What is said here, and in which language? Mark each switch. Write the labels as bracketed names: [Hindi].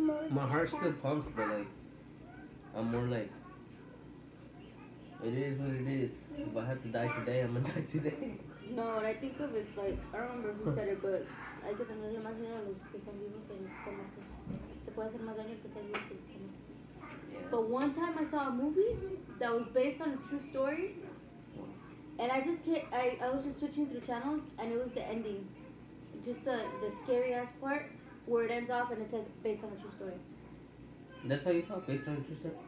[English] My heart still pumps, but like, I'm more like, it is what it is. If I have to die today, I'm gonna die today. No, what I think of is like, I don't remember who said it, but [Spanish] hay que tenerle más miedo a los que están vivos que a los que están muertos. Te puede hacer más daño el que está vivo que el que está muerto. [English] But one time I saw a movie that was based on a true story. And I just can't, I was just switching through channels, and it was the ending. Just the scary-ass part, where it ends off, and it says, based on a true story. That's how you saw it, based on a true story?